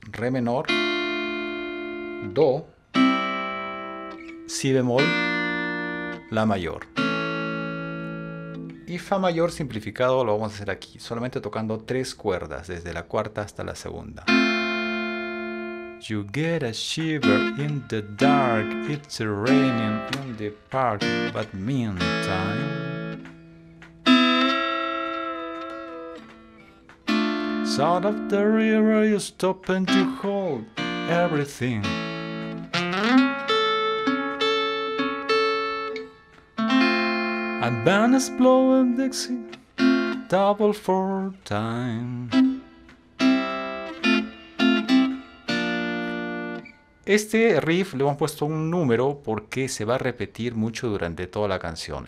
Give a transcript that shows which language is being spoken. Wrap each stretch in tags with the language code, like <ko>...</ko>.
<es>Re menor, do, si bemol, la mayor. Y fa mayor simplificado lo vamos a hacer aquí, solamente tocando tres cuerdas, desde la cuarta hasta la segunda.</es> <en>You get a shiver in the dark, it's raining in the park, but meantime. South of the river you stop and you hold everything. A band is blowing Dixie, double for time.</en> <es>Este riff le hemos puesto un número porque se va a repetir mucho durante toda la canción.</es>